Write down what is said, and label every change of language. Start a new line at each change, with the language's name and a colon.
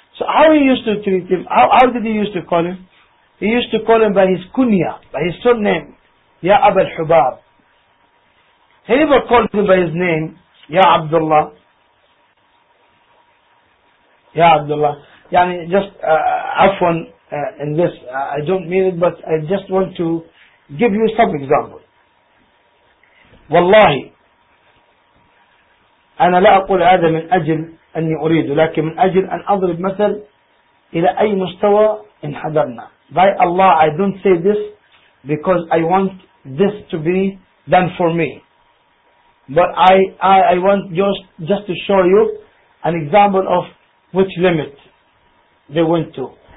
English: So how he used to treat him? How did he used to call him? He used to call him by his kunya, by his surname, Ya Abu al-Hubab. He never called him by his name, Ya Abdullah. Ya Abdullah. Yani just afwan in this, I don't mean it, but I just want to give you some example.
Arabic: Wallahi, أنا لا أقول هذا من أجل أني أريد لكن من أجل أن أضرب مثل إلى أي مستوى انحدرنا.
English: By Allah, I don't say this because I want this to be done for me. But I want just to show you an example of which limit they went to.